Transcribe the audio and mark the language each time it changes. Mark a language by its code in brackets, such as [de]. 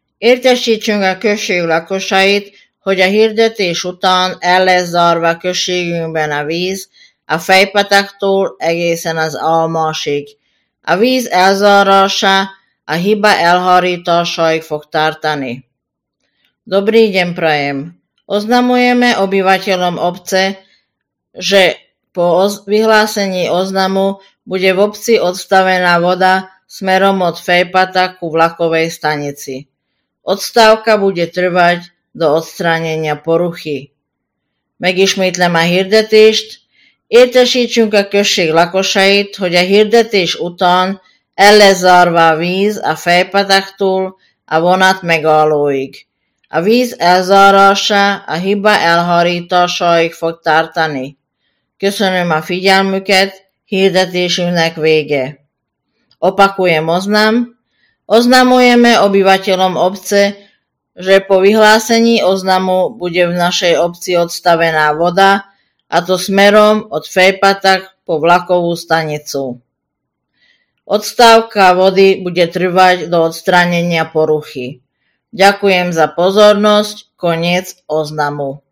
[hu] Értesítsünk a község lakosait, hogy a hirdetés után el lesz zárva községünkben a víz, a Fejpataktól egészen az Almásig. A víz elzárása a hiba elhárításaig fog tartani. [sk] Dobrý deň prajem! Oznamujeme obyvateľom obce, že po vyhlásení oznamu bude v obci odstavená voda smerom od Fejpata ku vlakovej stanici. Odstávka bude trvať do odstránenia poruchy. [hu] Megismétlem a hirdetést. Értesítsünk a község lakosait, hogy a hirdetés után el lesz zárva a víz a Fejpataktól a vonat megállóig. A víz elzárása a hiba elhárításaig fog tartani. Köszönöm a figyelmüket, hirdetésünknek vége. [sk] Opakujem oznam. Oznamujeme obyvateľom obce, že po vyhlásení oznamu bude v našej obci odstavená voda, a to smerom od Fejpata po vlakovú stanicu. Odstávka vody bude trvať do odstránenia poruchy. Ďakujem za pozornosť. Koniec oznamu.